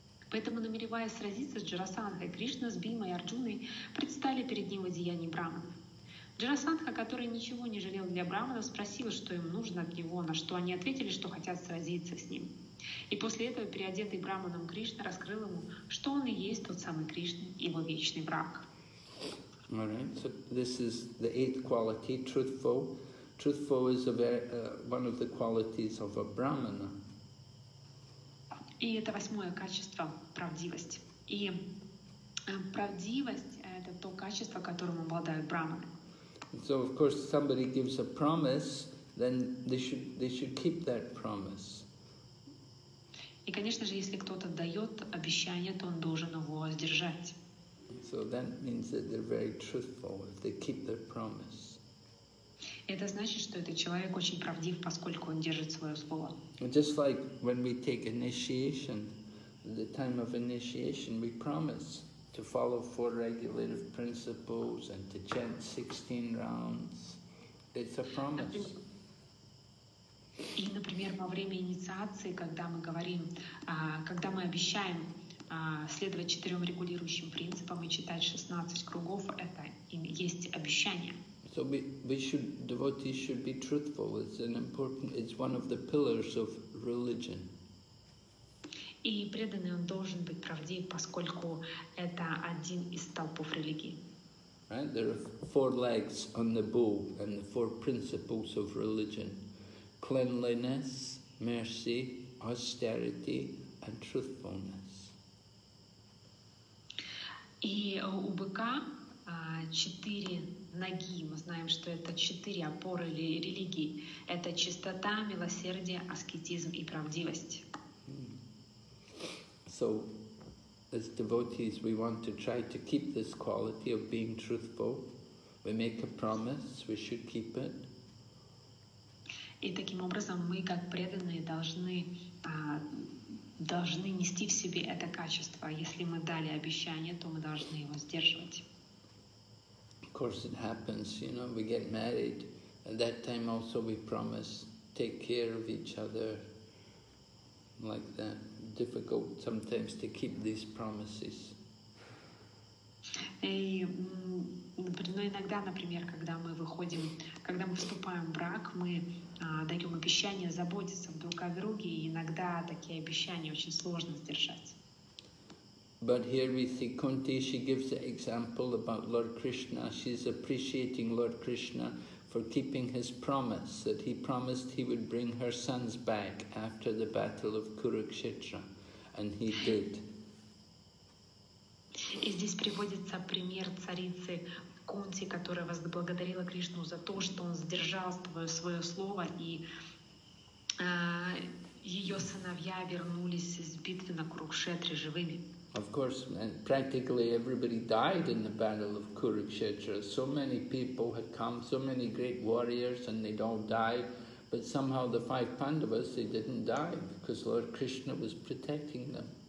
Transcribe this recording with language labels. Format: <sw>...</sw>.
<ru>Поэтому, намереваясь сразиться с Джарасандхой, Кришна с Бимой и Арджуной предстали перед ним в одеянии браманов. Джарасандха, который ничего не жалел для брахманов, спросил, что им нужно от него, на что они ответили, что хотят сразиться с ним. И после этого переодетый брахманом Кришна раскрыл ему, что он и есть тот самый Кришна, его вечный враг.</ru> <en>All right, so this is the eighth quality, truthful. Truthful is a very, one of the qualities of a brahmana.</en> <ru>И это восьмое качество – правдивость. И правдивость – это то качество, которым обладают брахманы.</ru> <en>So of course somebody gives a promise, then they should keep that promise.</en> <ru>И конечно же, если кто-то дает обещание, то он должен его сдержать.</ru> <en>So that means that they're very truthful if they keep their promise.</en> <ru>Это значит, что этот человек очень правдив, поскольку он держит свое слово.</ru> <en>Just like when we take initiation, the time of initiation, we promise to follow four regulative principles and to chant 16 rounds. It's a promise.</en> <ru>И, например, во время инициации, когда мы говорим, когда мы обещаем следовать четырем регулирующим принципам и читать 16 кругов, это и есть обещание.</ru> <en>So devotees should be truthful. It's one of the pillars of religion.</en> <ru>И преданный он должен быть правдив, поскольку это один из столпов религии.</ru> <en>Right? There are four legs on the bull and the four principles of religion: cleanliness, mercy, austerity, and truthfulness.</en> <ru>И у быка четыре ноги. Мы знаем, что это четыре опоры религии. Это чистота, милосердие, аскетизм и правдивость.</ru> <en>So, as devotees, we want to try to keep this quality of being truthful. We make a promise, we should keep it.</en> <ru>И таким образом мы, как преданные, должны нести в себе это качество. Если мы дали обещание, то мы должны его сдерживать.</ru> <en>Of course it happens, you know, we get married, at that time also we promise take care of each other. Like that, difficult sometimes to keep these promises.</en> <ru>Но иногда, например, когда мы вступаем в брак, мы даем обещание заботиться друг о друге, и иногда такие обещания очень сложно сдержать.</ru> <en>But here we see Kunti, she gives the example about Lord Krishna. She's appreciating Lord Krishna for keeping his promise that he promised he would bring her sons back after the battle of Kurukshetra, and he did.</en> <ru>И здесь приводится пример царицы Кунти, которая возблагодарила Кришну за то, что он сдержал свое слово, и ее сыновья вернулись из битвы на Курукшетре живыми.</ru> <en>Of course, practically everybody died in the battle of Kurukshetra. So many people had come, so many great warriors, and they'd all died. But somehow the five Pandavas, they didn't die, because Lord Krishna was protecting them.</en>